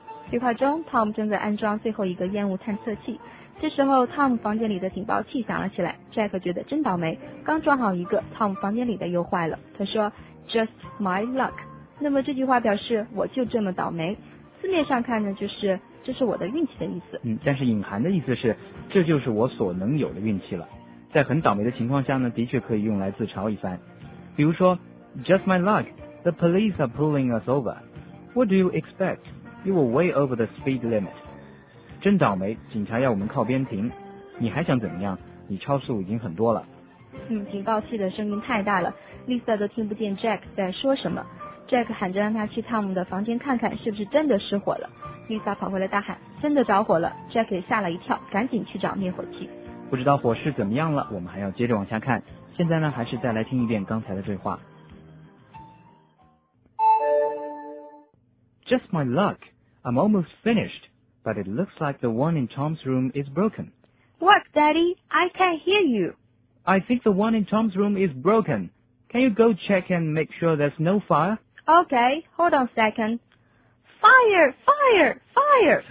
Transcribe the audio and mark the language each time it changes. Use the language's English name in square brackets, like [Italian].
[Chinese] 对话中 ，Tom 正在安装最后一个烟雾探测器。这时候 Tom 房间里的警报器响了起来， Jack 觉得真倒霉，刚装好一个， Tom 房间里的又坏了。他说 [English] Just my luck， [Chinese] 那么这句话表示我就这么倒霉，字面上看呢就是这是我的运气的意思。但是隐含的意思是这就是我所能有的运气了。在很倒霉的情况下呢，的确可以用来自嘲一番。比如说 [English] Just my luck, the police are pulling us over. What do you expect? You were way over the speed limit. [Chinese] 真倒霉，警察要我们靠边停，你还想怎么样？你超速已经很多了。警报器的声音太大了， Lisa 都听不见 Jack 在说什么。 Jack 喊着让他去 Tom 的房间看看是不是真的失火了。 Lisa 跑回来大喊真的着火了， Jack 也吓了一跳，赶紧去找灭火器。不知道火势怎么样了，我们还要接着往下看。现在呢，还是再来听一遍刚才的对话。 [English] Just my luck, I'm almost finished, but it looks like the one in Tom's room is broken. What, Daddy? I can't hear you. I think the one in Tom's room is broken. Can you go check and make sure there's no fire? Okay, hold on a second. Fire, fire, fire!